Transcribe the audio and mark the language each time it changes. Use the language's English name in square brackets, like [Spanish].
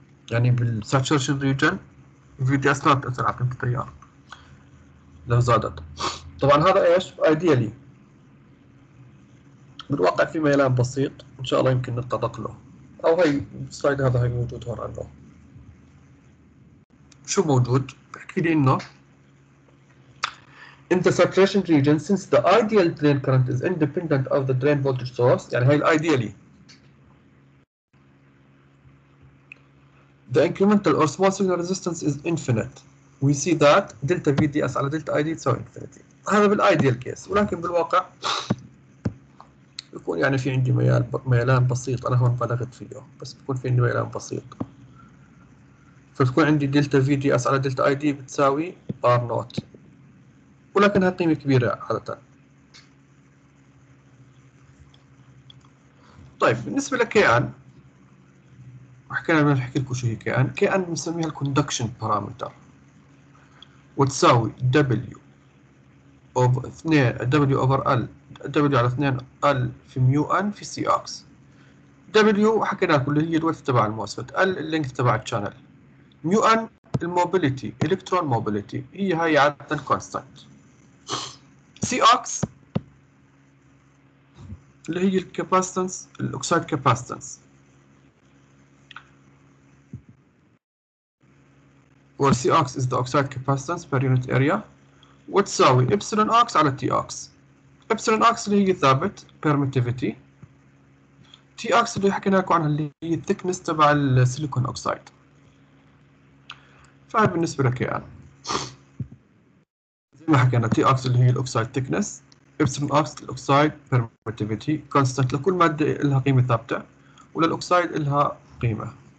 [Arabic] يعني بالساتوريشن ريجن في دي اس لا بتاثر على قيمه التيار لو زادت. طبعا هذا ايش؟ ايديالي. بالواقع في ميلان بسيط ان شاء الله يمكن نتطرق له، او هي السلايد هذا هي موجود هون عنه. شو موجود؟ بحكي لي انه [English] in the saturation region since the ideal drain current is independent of the drain voltage source، [Arabic] يعني هي الايديالي. [English] The incremental or small signal resistance is infinite. We see that delta VDS على delta ID is infinity. [Arabic] هذا بالايديال كيس، ولكن بالواقع يكون يعني في عندي ميلان بسيط، انا هون بلغت فيه، بس بكون في عندي ميلان بسيط. فتكون عندي delta VDS على delta ID بتساوي R نوت. ولكن هاي قيمة كبيرة عادة. طيب بالنسبة لكيان حكينا بدنا نحكي لكم شو هي كي ان. كي ان بنسميها الكوندكشن بارامتر، وتساوي دبليو اوفر 2 دبليو اوفر ال دبليو على 2 ال في ميو ان في سي اكس. دبليو حكينا لكم اللي هي الويث تبع الموسفت، ال اللينث تبع الشانل، ميو ان الموبيليتي الكترون موبيليتي، هي هاي عاده كونستانت. سي اكس اللي هي الكاباسيتنس الاوكسايد كاباسيتنس، [English] where C aux is the oxide capacitance per unit area، [Arabic] وتساوي epsilon aux على T aux. epsilon aux اللي هي ثابت permittivity، T aux اللي حكينا لكم عنها اللي هي thickness تبع السيليكون اوكسايد. فهي بالنسبة لك كيان زي ما حكينا T aux اللي هي الاوكسايد thickness، epsilon aux الاوكسايد permittivity constant لكل مادة لها قيمة ثابتة وللاوكسايد لها قيمة.